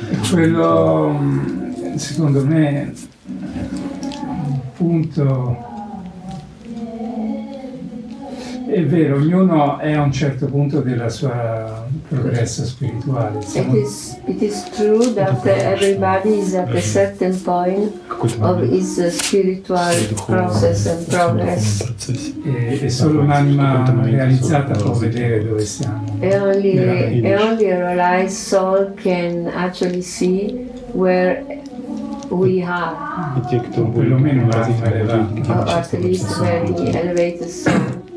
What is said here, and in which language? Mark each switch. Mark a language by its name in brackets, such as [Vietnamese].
[Italian] Quello, secondo me, un punto, è vero, ognuno è a un certo punto della sua progresso spirituale. [English] It is true that everybody is at a certain point of his spiritual process and progress. [Italian] E solo un'anima realizzata può vedere dove siamo. [English] E only a realized soul can actually see where we are. [Italian] Perlomeno l'anima elevata. [English] At least very elevated soul.